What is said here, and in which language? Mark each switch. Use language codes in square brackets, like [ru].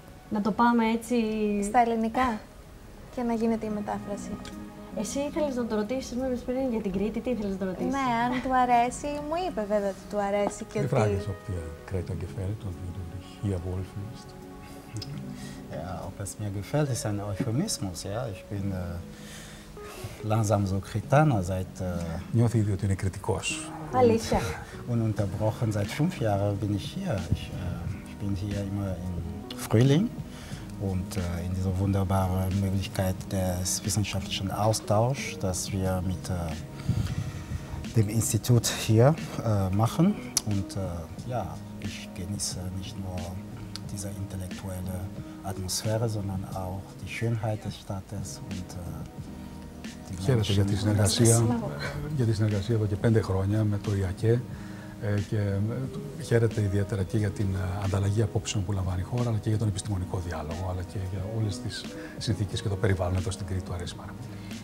[el] Να το πάμε έτσι στα ελληνικά και να γίνεται η μετάφραση. Εσύ ήθελες να το ρωτήσεις, μου είπες πριν για την Κρήτη, τι ήθελες να το ρωτήσεις? Ναι, αν του αρέσει, μου είπε βέβαια ότι του αρέσει και ότι... Φράγες από τη Κρέτα γεφέλτ, ότι είναι το Χία Βόλφινιστ. [de] Ob es mir gefällt, ist ein Euphemismus, ja. Ich bin langsam so Kretaner seit... [el] Νιώθει ήδη ότι είναι κριτικός. Αλήθεια. [de] Ununterbrochen seit 5 Jahren bin ich hier. Ich bin hier immer im Frühling. Und in dieser wunderbaren Möglichkeit des wissenschaftlichen Austauschs, das wir mit dem Institut hier machen. Und ja, ich genieße nicht nur diese intellektuelle Atmosphäre, sondern auch die Schönheit des Stadtes und [el] Χαίρεται για τη συνεργασία, για τη συνεργασία εδώ και 5 χρόνια με το ΙΑΚΕ και χαίρεται ιδιαίτερα και για την ανταλλαγή απόψεων που λαμβάνει η χώρα, αλλά και για τον επιστημονικό διάλογο, αλλά και για όλες τις συνθήκες και το περιβάλλον εδώ στην Κρήτη. Του αρέσει πάρα πολύ.